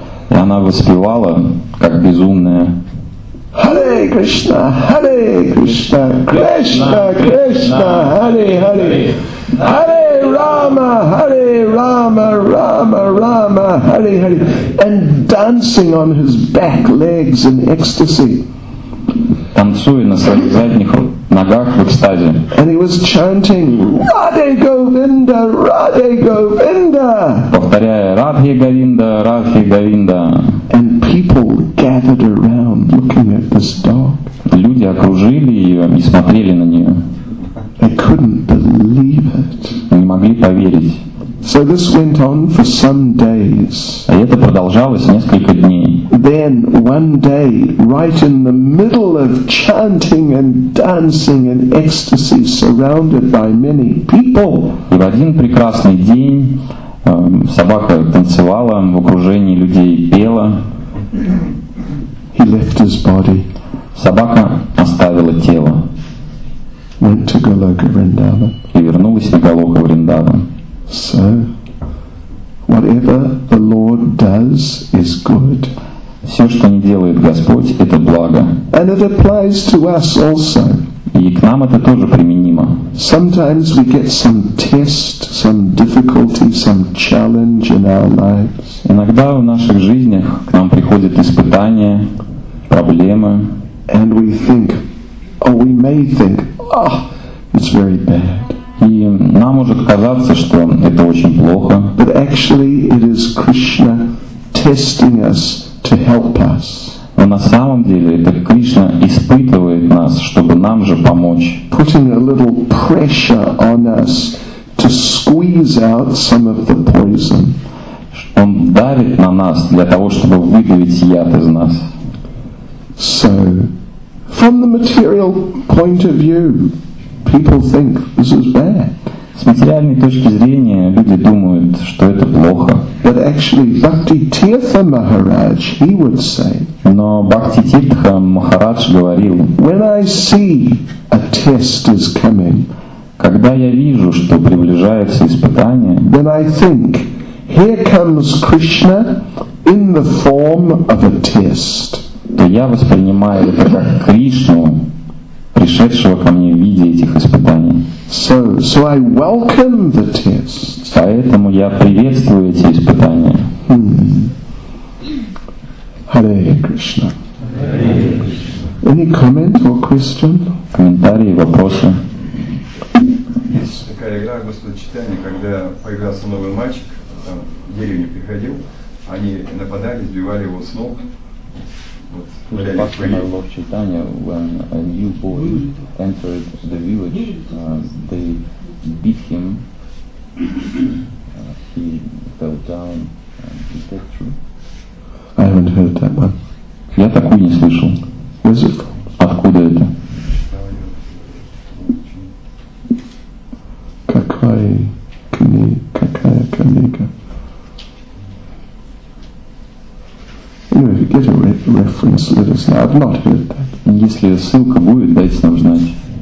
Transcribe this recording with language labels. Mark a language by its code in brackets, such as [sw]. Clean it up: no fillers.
[ru] И она воспевала, как безумная. [sa] Hare Krishna, Hare Krishna, Krishna, Krishna, Hare Hare. Hare Rama, Hare Rama, Rama Rama, Hare Hare. [en] And dancing on his back legs in ecstasy. [ru] Танцуя на своих задних ногах в экстазе. [en] And he was chanting, Radhe Govinda, Radhe Govinda. [ru] Повторяя, Радхе Говинда, Радхе Говинда. [en] And people gathered around looking at this dog. [ru] Люди окружили ее и смотрели на нее. [en] They couldn't believe it. [ru] Не могли поверить. [en] So this went on for some days. [ru] А это продолжалось несколько дней. [en] Then one day, right in the middle of chanting and dancing in ecstasy, surrounded by many people. [ru] И в один прекрасный день собака танцевала в окружении людей, пела. [en] He left his body. [ru] Собака оставила тело. [en] Went to Goloka Vrindavan. [ru] И вернулась на Голоку Вриндаван. [en] So, whatever the Lord does is good. [ru] Все, что не делает Господь, это благо. [en] And it applies to us also. [ru] И к нам это тоже применимо. [en] Sometimes we get some test, some difficulty, some challenge in our lives. [ru] Иногда в наших жизнях к нам приходят испытания, проблемы. [en] And we think, or we may think, oh, it's very bad. [ru] И нам может казаться, что это очень плохо. [en] But actually it is Krishna testing us to help us. [ru] Но на самом деле это Кришна испытывает нас, чтобы нам же помочь. [en] Putting a little pressure on us to squeeze out some of the poison. [ru] Он давит на нас для того, чтобы выдавить яд из нас. [en] So, from the material point of view, people think this is bad. [ru] С материальной точки зрения люди думают, что это плохо. [en] But actually, Bhakti Tirtha Maharaj, he would say. [ru] Но Бхакти Тиртха Махарадж говорил. [en] When I see a test is coming, [ru] когда я вижу, что приближается испытание, [en] then I think, here comes Krishna in the form of a test. [ru] То я воспринимаю это как Кришну, пришедшего ко мне в виде этих испытаний. [en] So I welcome the test. [ru] Поэтому я приветствую эти испытания. [en] Hare Krishna. Any comment or question? [ru] Комментарии, вопросы? Есть такая игра, Господь Чайтанья, когда появился новый мальчик, там в деревню приходил, они нападали, сбивали его с ног. [en] partner Lord Chaitanya, when a new boy entered the village, they beat him. He fell down. Is that true? I haven't heard that one. [ru] Я такую не слышал. [en] Where is it? [ru] Откуда это? Какая книга? [en] Anyway, if you get a reference, let us know. I've not heard that. [ru] Если ссылка будет, дайте нам знать.